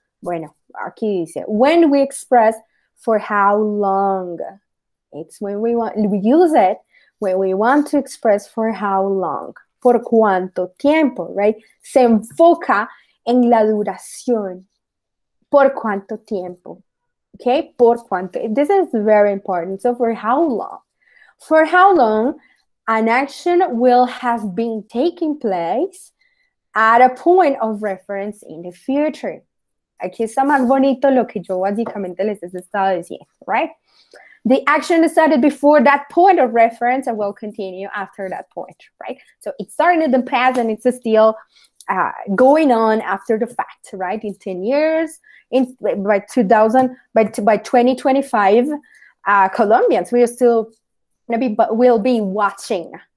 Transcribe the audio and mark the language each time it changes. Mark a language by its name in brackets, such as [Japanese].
[Spanish] Bueno, aquí dice, [English] when we express for how long, it's when we use it when we want to express for how long, [Spanish] por cuánto tiempo, [English] right? [Spanish] Se enfoca en la duración, por cuánto tiempo, okay? Por cuánto, [English] this is very important, so for how long. For how long an action will have been taking place at a point of reference in the future. [Spanish] Aquí está más bonito lo que yo básicamente les estaba diciendo, right? [English] The action started before that point of reference and will continue after that point, right? So it started in the past and it's still going on after the fact, right? In 10 years, by 2025, Colombians, we are still maybe, but we'll be watching.